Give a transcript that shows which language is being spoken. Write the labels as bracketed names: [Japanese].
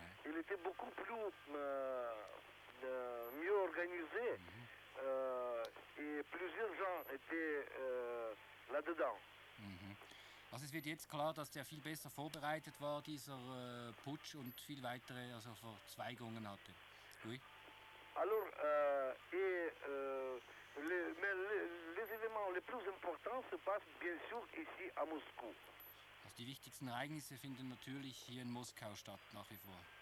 [French] Il était beaucoup plus mieux organisé. Et plusieurs gens étaient là-dedans. [German] Also es wird jetzt klar, dass der viel besser vorbereitet war, dieser Putsch, und viel weitere also Verzweigungen hatte. [French] Oui. Alors, les événements les plus importants se passent bien sûr ici à Moscou. [German] Also die wichtigsten Ereignisse finden natürlich hier in Moskau statt, nach wie vor.